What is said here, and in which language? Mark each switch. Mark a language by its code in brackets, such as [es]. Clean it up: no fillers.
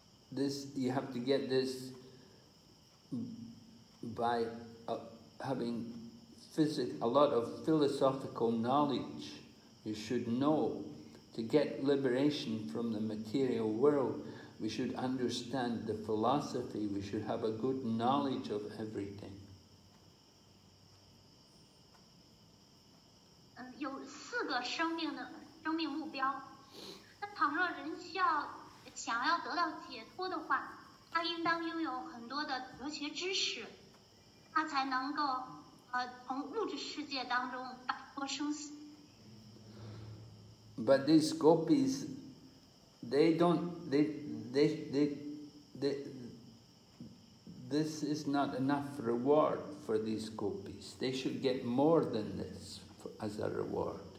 [en] this, you have to get this by having a lot of philosophical knowledge. You should know, to get liberation from the material world, we should understand the philosophy, we should have a good knowledge of everything. [zh] 有四个生命的生命目标。那倘若人需要想要得到解脱的话，他应当拥有很多的哲学知识，他才能够从物质世界当中摆脱生死。 [en] But these gopis, this is not enough reward for these gopis. They should get more than this as a reward.